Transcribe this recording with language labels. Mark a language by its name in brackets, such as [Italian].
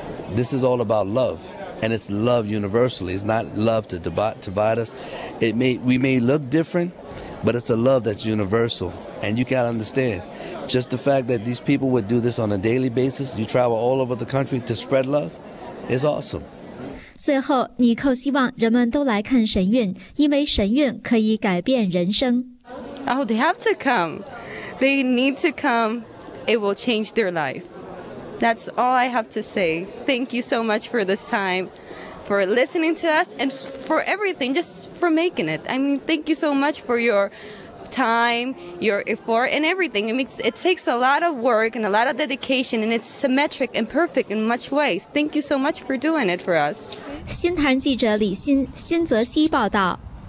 [English] This is all about love. And it's love universally. It's not love to divide us. We may look different, but it's a love that's universal. And you gotta understand, just the fact that these people would do this on a daily basis, you travel all over the country to spread love, is awesome. [Chinese] 最后，尼寇希望人们都来看神韵，因为神韵可以改变人生。 [English] Oh, they have to come. They need to come. It will change their life. That's all I have to say. Thank you so much for this time, for listening to us, and for everything, just for making it. I mean, thank you so much for your time, your effort, and everything. It takes a lot of work and a lot of dedication, and it's symmetric and perfect in much ways. Thank you so much for doing it for us. [Chinese] 新唐人记者李欣，新泽西报道。